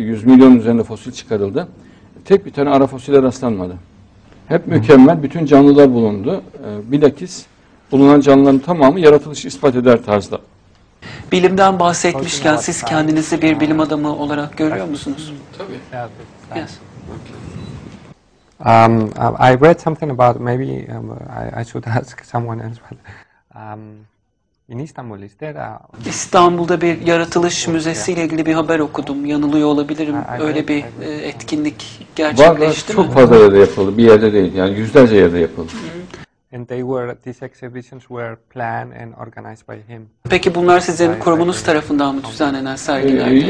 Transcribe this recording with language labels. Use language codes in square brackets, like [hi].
[tr] 100 milyon üzerinde fosil çıkarıldı. Tek bir tane ara fosile rastlanmadı. Hep mükemmel, bütün canlılar bulundu. Bilakis bulunan canlıların tamamı yaratılışı ispat eder tarzda. Bilimden bahsetmişken siz kendinizi bir bilim adamı olarak görüyor musunuz? Tabii. [en] Yes. I read something about, maybe I should ask someone else, but in Istanbul, is there a... [tr] İstanbul'da bir yaratılış müzesiyle ilgili bir haber okudum. Yanılıyor olabilirim. Öyle bir etkinlik gerçekleşti mi? Çok fazla yerde yapıldı. Bir yerde değil. Yani yüzlerce yerde yapıldı. [en] And they were, these exhibitions were planned and organized by him. [tr] Peki bunlar sizin kurumunuz tarafından mı düzenlenen sergilerdi?